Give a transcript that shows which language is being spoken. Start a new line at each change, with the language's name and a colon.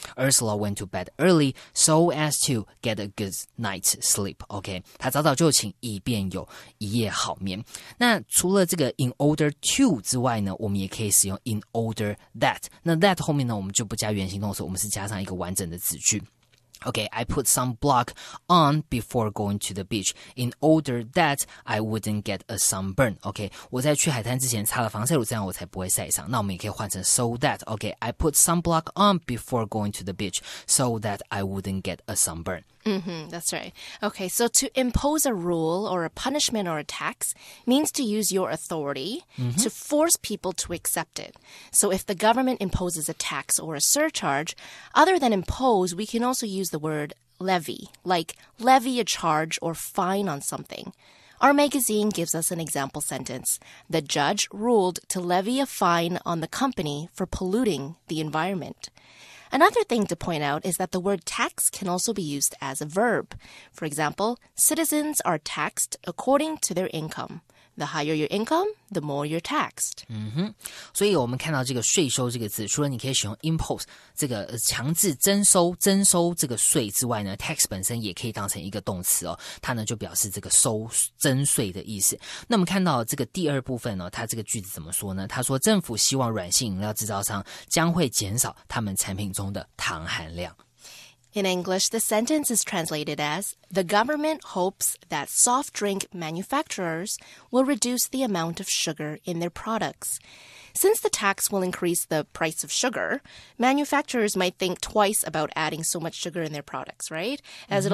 English: Ursula went to bed early so as to get a good night's sleep.
Chinese: OK， 她早早就寝，以便有一夜好眠。那除了这个 in order to 之外呢，我们也可以使用 in order that。那 that 后面呢，我们就不加原形动词，我们是加上一个完整的子句。
English: Okay, I put some block on before going to the beach in order that I wouldn't get a sunburn.
Chinese: Okay, 我在去海滩之前擦了防晒乳，这样我才不会晒伤。那我们也可以换成 so that.
English: Okay, I put some block on before going to the beach so that I wouldn't get a sunburn. Mm-hmm, that's right. Okay, so to impose a rule or a punishment or a tax means to use your authority、mm-hmm. to force people to accept it. So if the government imposes a tax or a surcharge, other than impose, we can also use the word levy, like levy a charge or fine on something. Our magazine gives us an example sentence. The judge ruled to levy a fine on the company for polluting the environment. Another thing to point out is that the word tax can also be used as a verb. For example, citizens are taxed according to their income. The higher your income, the more you're taxed.
Chinese: 嗯哼，所以我们看到这个税收这个字，除了你可以使用 impose 这个强制征收这个税之外呢， tax 本身也可以当成一个动词哦，它呢就表示这个收征税的意思。那我们看到这个第二部分呢、哦，它这个句子怎么说呢？它说政府希望软性饮料制造商将会减少他们产品中的糖含量。
English: In English, the sentence is translated as, The government hopes that soft drink manufacturers will reduce the amount of sugar in their products. Since the tax will increase the price of sugar, manufacturers might think twice about adding so much sugar in their products, right? As、mm-hmm.